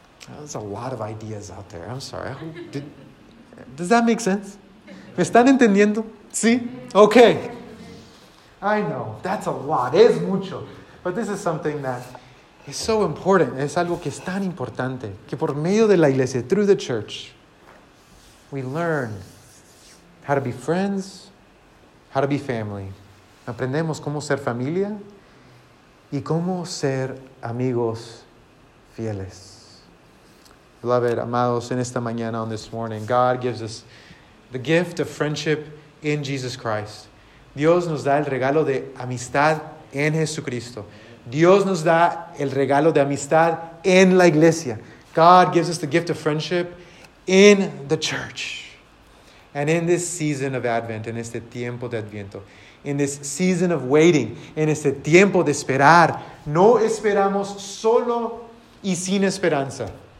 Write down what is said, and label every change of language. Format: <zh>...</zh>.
<en>There's a lot of ideas out there. I'm sorry. Does that make sense?</en> <es>¿Me están entendiendo? ¿Sí?</es> <en>Okay. I know. That's a lot.</en> <es>Es mucho.</es> <en>But this is something that is so important.</en> <es>Es algo que es tan importante. Que por medio de la iglesia,</es> <en>through the church, we learn how to be friends, how to be family.</en> <es>Aprendemos cómo ser familia y cómo ser amigos fieles.</es> <en>Beloved,</en> <es>amados, en esta mañana,</es> <en>on this morning, God gives us the gift of friendship in Jesus Christ.</en> <es>Dios nos da el regalo de amistad en Jesucristo. Dios nos da el regalo de amistad en la iglesia.</es> <en>God gives us the gift of friendship in the church. And in this season of Advent,</en> <es>en este tiempo de Adviento,</es> <en>in this season of waiting,</en> <es>en este tiempo de esperar, no esperamos solo y sin esperanza.</es>